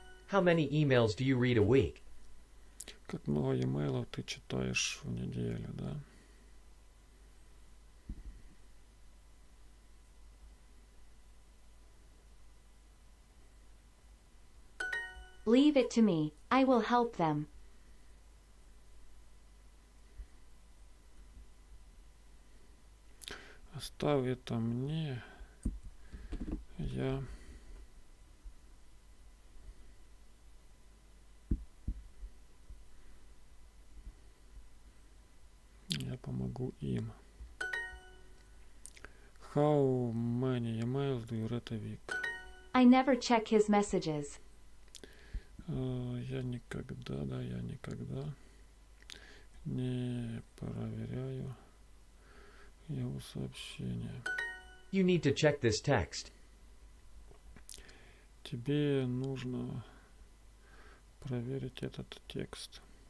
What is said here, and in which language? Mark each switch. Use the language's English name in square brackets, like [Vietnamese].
[English] How many emails do you read a week? [Russian] Как много имейлов ты читаешь в неделю, да? [English] Leave it to me. I will help them. [Russian] Оставь это мне, я помогу им. [English] How many emails do you read a week? I never check his messages. [Russian] Я никогда не проверяю его сообщение. [English] You need to check this text. [Russian] Тебе нужно проверить этот текст.